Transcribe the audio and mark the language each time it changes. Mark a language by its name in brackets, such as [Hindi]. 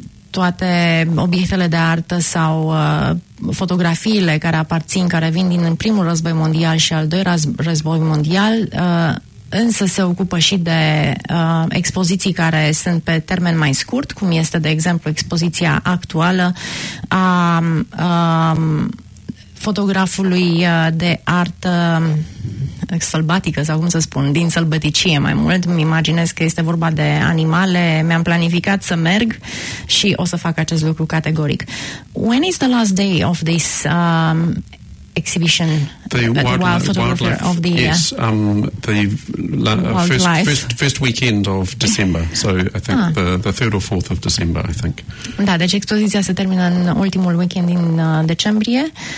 [Romanian] toate obiectele de artă sau fotografiile care aparțin, care vin din primul război mondial și al doilea război mondial, însă se ocupă și de expoziții care sunt pe termen mai scurt, cum este, de exemplu, expoziția actuală a fotografului de artă sălbatică, sau cum să spun, din sălbăticie mai mult. Îmi imaginez că este vorba de animale. Mi-am planificat să merg și o să fac acest lucru categoric. [English] When is the last day of this exhibition? The first weekend of December. So I think the third or fourth of December, I think. [Romanian] Da, deci expoziția se termină în ultimul weekend din decembrie.